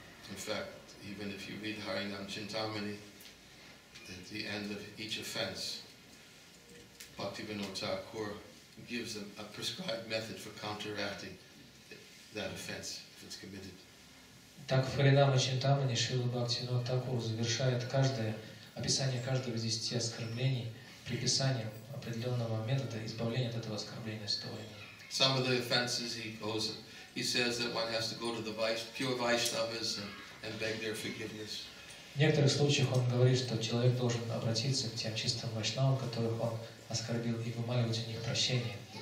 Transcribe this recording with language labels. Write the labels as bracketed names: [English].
[English] In fact, even if you read Harinam Chintamani, at the end of each offense, Bhaktivinoda Thakur gives a prescribed method for counteracting that offense if it's committed. [Russian] Так в Харинаме Чинтамани Шрила Бхактивинода Тхакур завершает каждое описание каждого из 10 оскорблений приписанием определенного метода избавления от этого оскорбления стоя. [English] Some of the offenses he says that one has to go to the pure Vaishnavas and beg their forgiveness. [Russian] В некоторых случаях он говорит, что человек должен обратиться к тем чистым вайшнавам, которых он оскорбил, и вымаливать у них прощение.